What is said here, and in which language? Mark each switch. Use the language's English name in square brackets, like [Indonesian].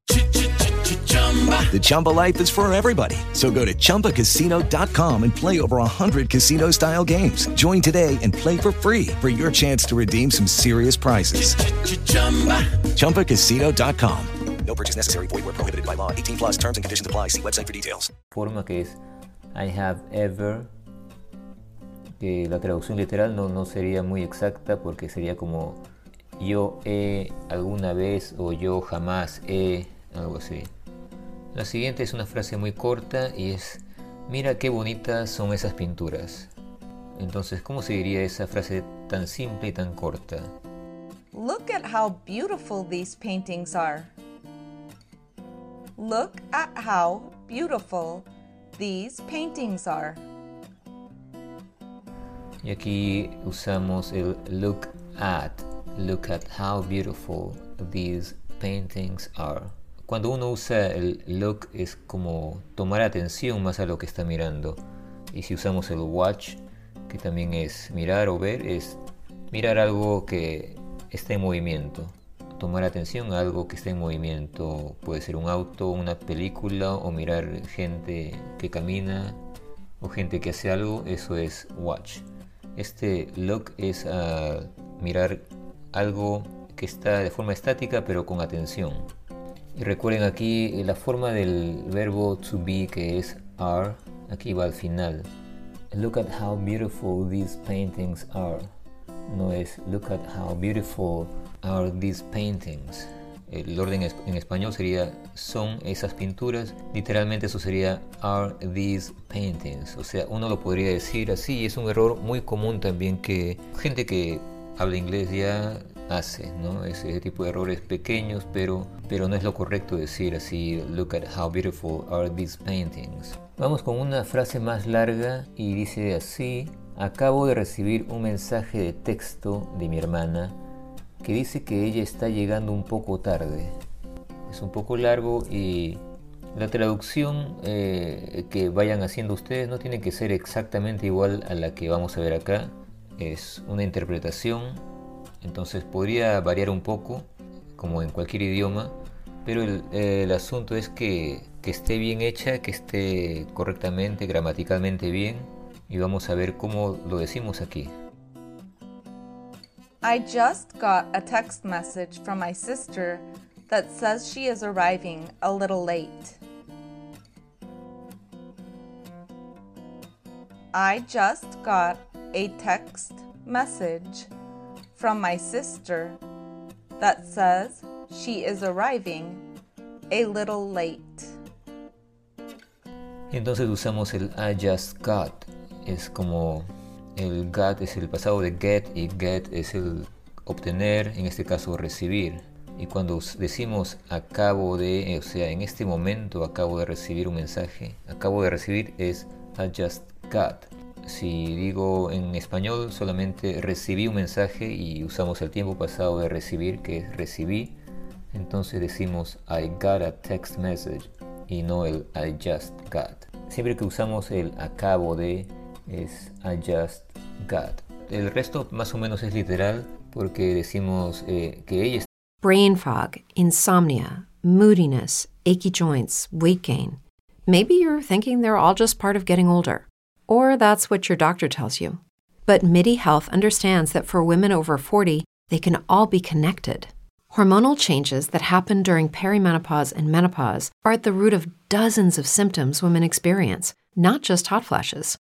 [English] The Chumba life is for everybody. So go to Chumbacasino.com and play over 100 casino-style games. Join today and play for free for your chance to redeem some serious prizes. Chumbacasino.com. No purchase necessary. Void where prohibited by law. 18 plus terms and conditions apply. See website for details. [Spanish] Forma que es [English] I have ever, [Spanish] que la traducción literal no sería muy exacta porque sería como yo he alguna vez o yo jamás he, algo así. La siguiente es una frase muy corta y es mira qué bonitas son esas pinturas. Entonces, ¿cómo se diría esa frase tan simple y tan corta? [English] Look at how beautiful these paintings are. Look at how beautiful these paintings are. [Spanish] Y aquí usamos el look at. [English] Look at how beautiful these paintings are. [Spanish] Cuando uno usa el look es como tomar atención más a lo que está mirando. Y si usamos el watch, que también es mirar o ver, es mirar algo que está en movimiento. Tomar atención a algo que está en movimiento, puede ser un auto, una película, o mirar gente que camina o gente que hace algo, eso es watch. Este look es mirar algo que está de forma estática pero con atención. Y recuerden aquí la forma del verbo to be, que es are, aquí va al final. [English] Look at how beautiful these paintings are. [Spanish] No es [English] look at how beautiful are these paintings. [Spanish] El orden en español sería son esas pinturas. Literalmente eso sería [English] are these paintings. [Spanish] O sea, uno lo podría decir así. Es un error muy común también que gente que habla inglés ya hace, ¿no? Ese tipo de errores pequeños, pero no es lo correcto decir así. [English] Look at how beautiful are these paintings. [Spanish] Vamos con una frase más larga y dice así. Acabo de recibir un mensaje de texto de mi hermana que dice que ella está llegando un poco tarde. Es un poco largo y la traducción que vayan haciendo ustedes no tiene que ser exactamente igual a la que vamos a ver acá. Es una interpretación, entonces podría variar un poco, como en cualquier idioma, pero el asunto es que esté bien hecha, que esté correctamente, gramaticalmente bien, y vamos a ver cómo lo decimos aquí. [English] I just got a text message from my sister that says she is arriving a little late. I just got a text message from my sister that says She is arriving a little late. [Spanish] Entonces usamos el [English] I just got. [Spanish] Es como el got es el pasado de get y get es el obtener, en este caso recibir. Y cuando decimos acabo de, o sea, en este momento acabo de recibir un mensaje, acabo de recibir es [English] I just got. [Spanish] Si digo en español solamente recibí un mensaje y usamos el tiempo pasado de recibir, que es recibí, entonces decimos [English] I got a text message [Spanish] y no el [English] I just got. [Spanish] Siempre que usamos el acabo de es [English] I just got. [Spanish] El resto más o menos es literal porque decimos que ella está... [English] Brain fog, insomnia, moodiness, achy joints, weight gain. Maybe you're thinking they're all just part of getting older. Or that's what your doctor tells you. But Midi Health understands that for women over 40, they can all be connected. Hormonal changes that happen during perimenopause and menopause are at the root of dozens of symptoms women experience, not just hot flashes.